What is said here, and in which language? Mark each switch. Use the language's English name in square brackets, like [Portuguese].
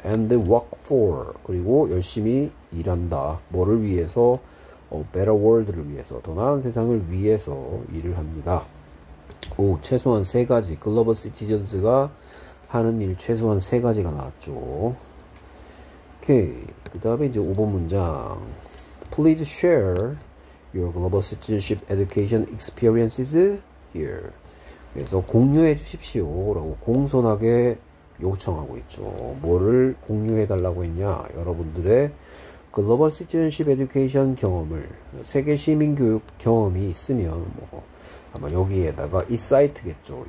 [Korean] And work for. 그리고 열심히 일한다. 뭐를 위해서? Better world 를 위해서. 더 나은 세상을 위해서 일을 합니다. 오, 최소한 세 가지. 글로벌 시티즌스가 하는 일 최소한 세 가지가 나왔죠. 오케이. 그다음에 이제 5번 문장. [English] Please share your global citizenship education experiences here. [Korean] 그래서 공유해 주십시오라고 공손하게 요청하고 있죠. 뭐를 공유해 달라고 했냐? 여러분들의 글로벌 시티즌십 에듀케이션 경험을, 세계 시민 교육 경험이 있으면 뭐 아마 여기에다가 이 사이트겠죠.